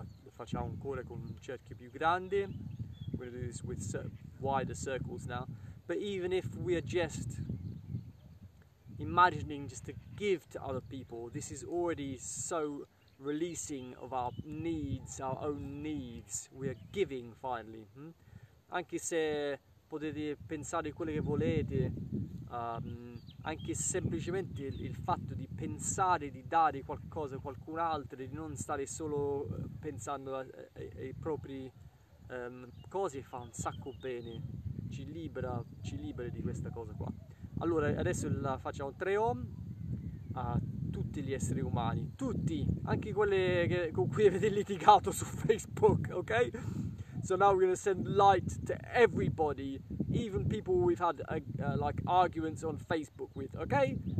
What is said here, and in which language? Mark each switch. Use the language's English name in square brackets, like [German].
[Italian] Facciamo ancora con un cerchio più grande. [English] We're going to do this with wider circles now. But even if we are just imagining just to give to other people, this is already so releasing of our needs, our own needs. We are giving finally. [Italian] Anche se potete pensare quello che volete, anche semplicemente il fatto di pensare di dare qualcosa a qualcun altro, di non stare solo pensando ai propri cose, fa un sacco bene, ci libera di questa cosa qua. Allora adesso la facciamo tre om a tutti gli esseri umani, tutti, anche quelli con cui avete litigato su Facebook, ok? [English] So now we're gonna send light to everybody, even people we've had like arguments on Facebook with, okay?